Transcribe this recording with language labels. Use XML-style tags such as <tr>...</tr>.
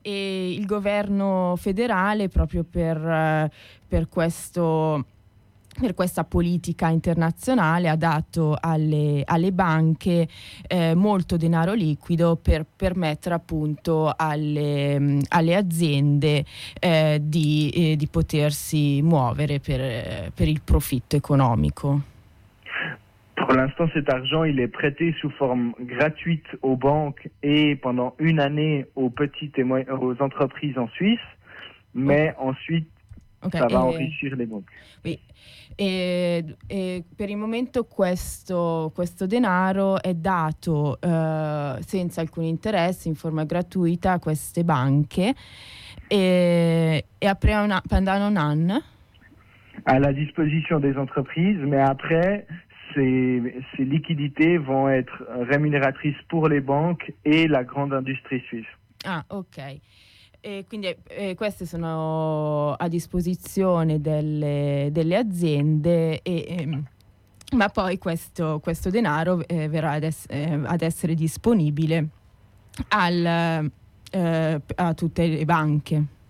<it>E il governo federale, proprio per questa politica internazionale, ha dato alle banche molto denaro liquido per permettere appunto alle aziende di potersi muovere per il profitto economico.</it> <fr>Per l'instant, cet argent il est prêté sous forme gratuite aux banques et pendant une année aux petites et aux entreprises en Suisse, mais ensuite Okay, va a enrichir</fr> <it>le banche.</it> <fr>Oui.</fr> <it>E per il momento questo denaro è dato senza alcun interesse, in forma gratuita a queste banche.</it> <fr>Et après pendant un an à la disposition des entreprises, mais après ces liquidités vont être rémunératrices pour les banques et la grande industrie suisse. Ah, ok.</fr> <it>E quindi queste sono a disposizione delle aziende, ma poi questo denaro verrà ad essere disponibile a tutte le banche.</it>